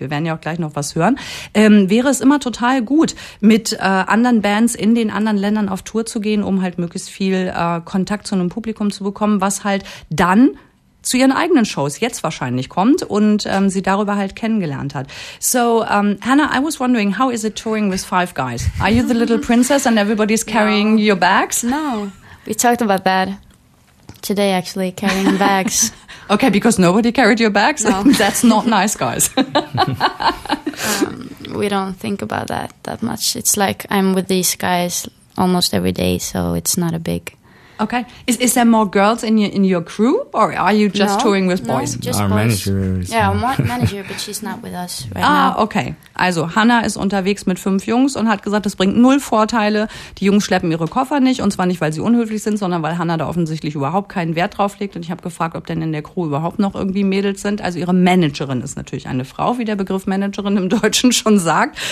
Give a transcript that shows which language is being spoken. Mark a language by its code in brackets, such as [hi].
[de] Wir werden ja auch gleich noch was hören. Wäre es immer total gut, mit anderen Bands in den anderen Ländern auf Tour zu gehen, um halt möglichst viel Kontakt zu einem Publikum zu bekommen, was halt dann zu ihren eigenen Shows jetzt wahrscheinlich kommt und sie darüber halt kennengelernt hat. [en] So, Hannah, I was wondering, how is it touring with 5 guys? Are you the little princess and everybody's carrying your bags? No. We talked about that today, actually, carrying bags. Okay, because nobody carried your bags? No. That's not nice, guys. We don't think about that much. It's like I'm with these guys almost every day, so it's not a big... Okay. Is there more girls in your crew, or are you just touring with boys? No, just our boys. Manager is... Yeah, our manager, but she's not with us right now. Ah, okay. [de] Also, Hannah ist unterwegs mit 5 Jungs und hat gesagt, das bringt null Vorteile. Die Jungs schleppen ihre Koffer nicht, und zwar nicht, weil sie unhöflich sind, sondern weil Hannah da offensichtlich überhaupt keinen Wert drauf legt. Und ich habe gefragt, ob denn in der Crew überhaupt noch irgendwie Mädels sind. Also, ihre Managerin ist natürlich eine Frau, wie der Begriff Managerin im Deutschen schon sagt.